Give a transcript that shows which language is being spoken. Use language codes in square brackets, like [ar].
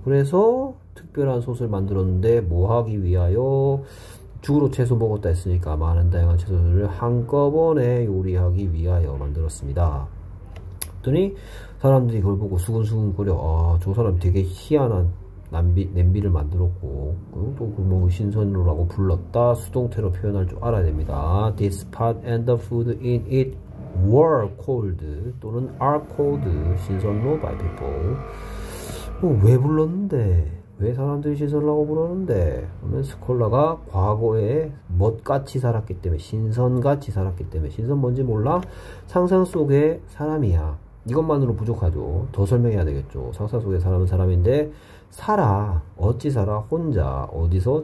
[ko] 그래서 특별한 소스를 만들었는데 뭐 하기 위하여 주로 채소 먹었다 했으니까 많은 다양한 채소를 한꺼번에 요리하기 위하여 만들었습니다. 그랬더니 사람들이 그걸 보고 수근수근 거려. 아, 저 사람 되게 희한한 냄비를 만들었고 또그뭐 신선로라고 불렀다. 수동태로 표현할 줄 알아야 됩니다. [en] This pot and the food in it were called 또는 are called 신선로 by people. [ko] 왜 불렀는데? 왜 사람들이 신선라고 부르는데? 그러면 스콜라가 과거에 멋같이 살았기 때문에, 신선같이 살았기 때문에, 신선 뭔지 몰라? 상상 속의 사람이야. 이것만으로 부족하죠. 더 설명해야 되겠죠. 상상 속의 사람은 사람인데, 살아. 어찌 살아? 혼자. 어디서?